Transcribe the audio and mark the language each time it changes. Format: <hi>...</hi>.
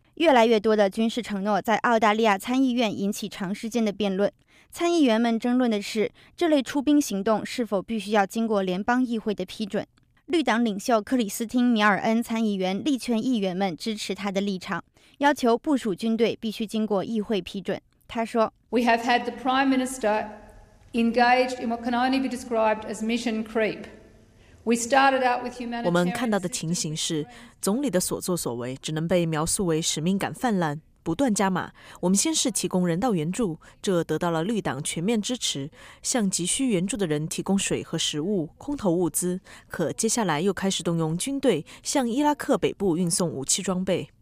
<zh>越来越多的军事承诺在澳大利亚参议院引起长时间的辩论，参议员们争论的是这类出兵行动是否必须要经过联邦议会的批准。绿党领袖克里斯汀·米尔恩参议员力劝议员们支持他的立场，要求部署军队必须经过议会批准。他说，</zh> <en>We have had the Prime Minister engaged in what can only be described as mission creep.</en> <zh>我们看到的情形是，总理的所作所为只能被描述为使命感泛滥，不断加码。我们先是提供人道援助，这得到了绿党全面支持，向急需援助的人提供水和食物、空投物资。可接下来又开始动用军队向伊拉克北部运送武器装备。</zh>